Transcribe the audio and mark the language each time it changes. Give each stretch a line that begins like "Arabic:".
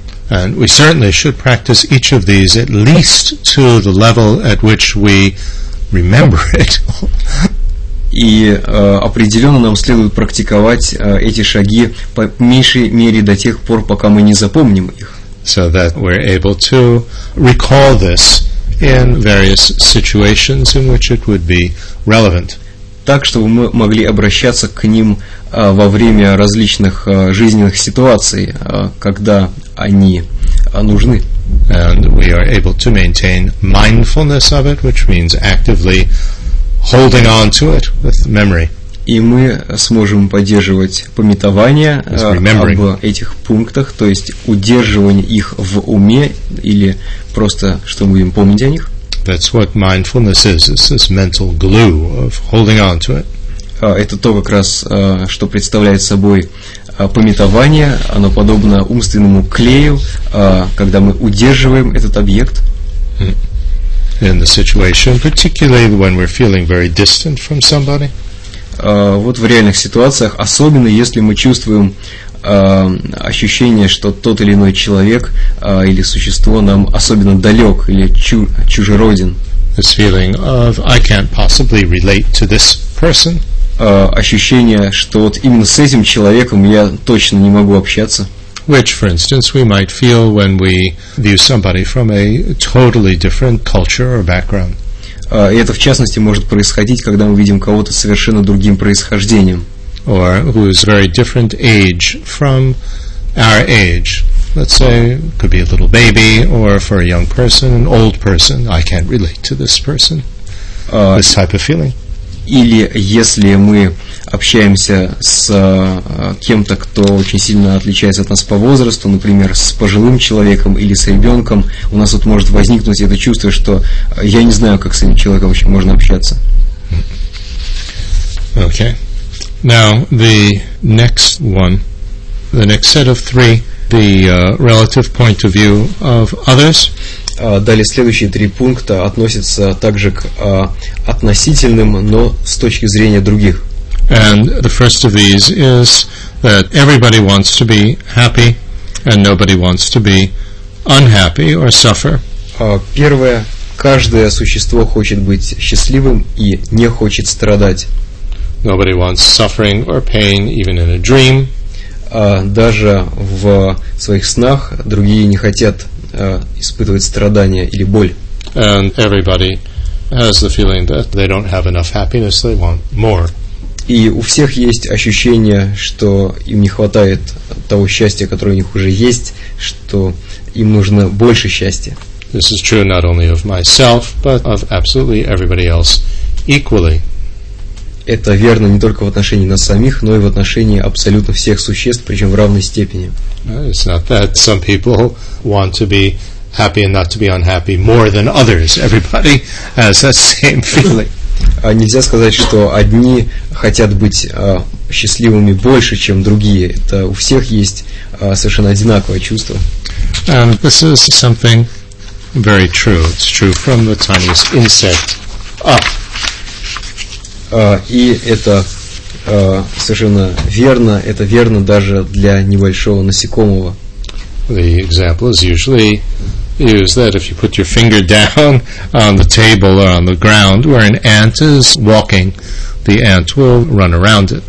English: And we certainly should practice each of these at least to the level at which we remember it.
Russian: И определенно нам следует практиковать эти шаги по меньшей мере до тех пор, пока мы не запомним их.
English: So that we're able to recall this in various situations in which it would be relevant.
Russian: Так, чтобы мы могли обращаться к ним во время различных жизненных ситуаций, когда они нужны.
English: And we are able to maintain mindfulness of it, which means actively holding on to it with memory.
Russian: И мы сможем поддерживать памятование об этих пунктах, то есть удерживание их в уме, или просто, что мы будем помнить о них.
English: That's what mindfulness is. It's this mental glue of holding on to it.
Russian: Это то как раз, что представляет собой памятование. Оно подобно умственному клею, когда мы удерживаем этот объект.
English: In the situation, particularly when we're feeling very distant from somebody.
Russian: Вот в реальных ситуациях, особенно если мы чувствуем ощущение, что тот или иной человек или существо нам особенно далек или чужероден.
English: This feeling of I can't possibly relate to this person.
Russian: Ощущение, что вот именно с этим человеком я точно не могу общаться.
English: Which, for instance, we might feel when we view somebody from a totally different culture or background.
Russian: И это, в частности, может происходить, когда мы видим кого-то совершенно другим происхождением.
English: Or who is very different age from our age. Let's say, could be a little baby, or for a young person, an old person. I can't relate to this person, this type of feeling.
Russian: Или если мы общаемся с кем-то, кто очень сильно отличается от нас по возрасту, например, с пожилым человеком или с ребенком, у нас вот может возникнуть это чувство, что я не знаю, как с этим человеком вообще можно общаться.
English: Okay. Now, the next one, the next set of three, the relative point of view of others.
Russian: Далее следующие три пункта относятся также к относительным, но с точки зрения других.
English: And the first of these is that everybody wants to be happy, and nobody wants to be unhappy or suffer.
Russian: Первое, каждое существо хочет быть счастливым и не хочет страдать.
English: Nobody wants suffering or pain, even in a dream.
Russian: Даже в своих снах другие не хотят испытывать страдания или боль.
English: And everybody has the feeling that they don't have enough happiness, they want more.
Russian: И у всех есть ощущение, что им не хватает того счастья, которое у них уже есть, что им нужно больше счастья.
English: This is true not only of myself, but of absolutely everybody else equally.
Russian: Это верно не только в отношении нас самих, но и в отношении абсолютно всех существ, причем в равной степени.
English: It's not that some people want to be happy and not to be unhappy more than others. Everybody has that same feeling.
Russian: Нельзя сказать, что одни хотят быть счастливыми больше, чем другие. Это у всех есть совершенно одинаковое чувство.
English: And this is something very true. It's true from the tiniest insect up.
Russian: И это совершенно верно. Это верно даже для небольшого насекомого.
English: The example is usually used that if you put your finger down on the table or on the ground where an ant is walking, the ant will run around it.